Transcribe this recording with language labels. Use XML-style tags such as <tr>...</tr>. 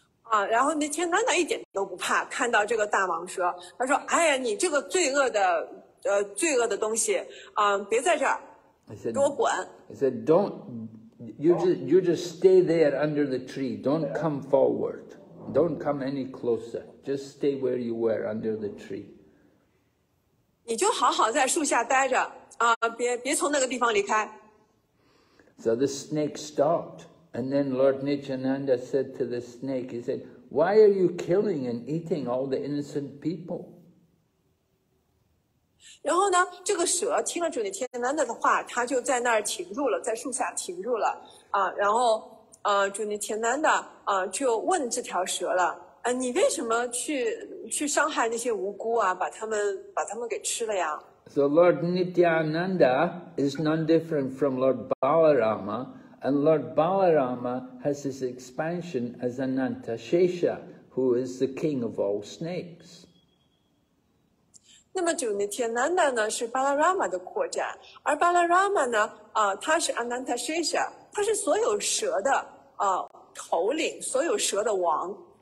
<en>Ah, then</en> <zh>Nityananda 一点都不怕，看到这个大蟒蛇，他说，哎呀，你这个罪恶的东西，别在这儿。</zh> <en>He said, don't, you just stay there under the tree, don't come forward, don't come any closer, just stay where you were under the tree.</en> <zh>你就好好在树下待着，别从那个地方离开。</zh> <en>So the snake stopped, and then Lord Nityananda said to the snake, he said, why are you killing and eating all the innocent people?</en> <zh>然后呢，这个蛇听了主尼天南的话，他就在那儿停住了，在树下停住了啊。然后，主尼天南的就问这条蛇了：“你为什么去伤害那些无辜啊？把他们给吃了呀</zh> <en>？”So Lord Nityananda is none different from Lord Balarama, and Lord Balarama has his expansion as Anantashesha, who is the king of all snakes.</en> <zh>那么主尼天南达呢是巴拉拉玛的扩展，而巴拉拉玛呢，他是阿南塔舍舍，他是所有蛇的头领，所有蛇的王。</zh>